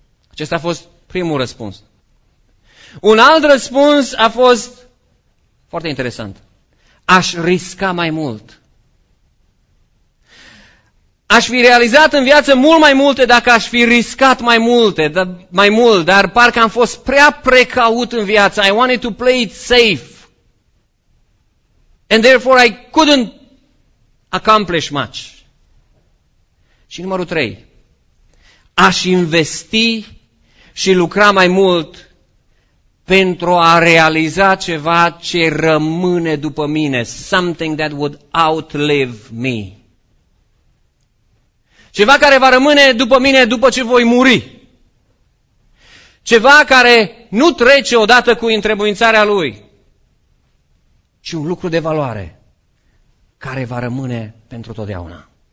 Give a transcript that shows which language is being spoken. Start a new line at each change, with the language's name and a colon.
Romanian: Acesta a fost primul răspuns. Un alt răspuns a fost foarte interesant. Aș risca mai mult. Aș fi realizat în viață mult mai multe dacă aș fi riscat mai mult, dar parcă am fost prea precaut în viață.
English: I wanted to play it safe. And therefore I couldn't accomplish much.
Romanian: Și numărul 3. Aș investi și lucra mai mult pentru a realiza ceva ce rămâne după mine.
English: Something that would outlive me.
Romanian: Ceva care va rămâne după mine după ce voi muri. Ceva care nu trece odată cu întrebuințarea lui. Ci un lucru de valoare care va rămâne pentru totdeauna.